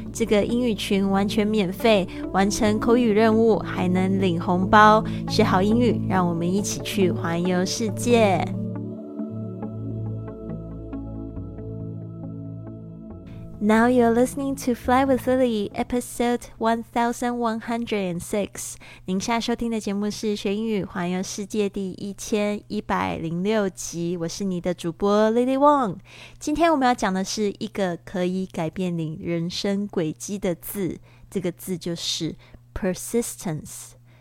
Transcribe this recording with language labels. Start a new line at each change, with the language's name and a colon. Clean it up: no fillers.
Chinese: 这个英语群完全免费，完成口语任务还能领红包，学好英语，让我们一起去环游世界。
English: Now you're listening to Fly with Lily, episode 1106.
Chinese: 您现在收听的节目是学英语环游世界第1106集。我是你的主播 Lily Wong。今天我们要讲的是一个可以改变你人生轨迹的字，这个字就是 persistence.